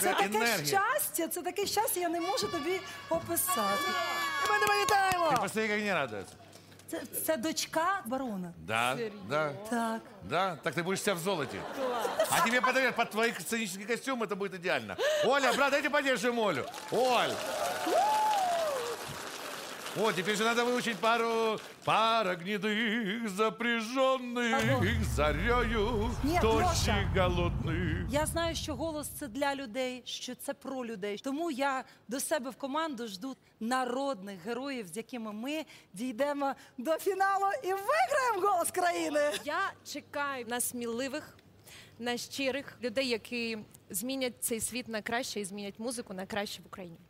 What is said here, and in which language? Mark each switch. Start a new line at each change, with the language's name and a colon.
Ukrainian: це енергія? Це таке щастя, я не можу тобі описати. І ми тебе вітаємо! Ти просто як не радується. Це дочка барона? Да. Да. Так. Да? Так ти будешся в золоті. Клас.
Russian: А тебе подарят под
Ukrainian: твої сценічні костюми, це буде ідеально.
Russian: Оля, брат, дайте поддержим Олю. Оль! О, теперь же надо выучить пару... Пара гнедых, запряженных зарею, тощи голодных.
Ukrainian: Я знаю, що голос – це для людей, що це про людей. Тому я до себе в команду жду народних героїв, з якими ми дійдемо до фіналу і виграємо «Голос країни». Я чекаю на сміливих, на щирих людей, які змінять цей світ на краще і змінять музику на краще в Україні.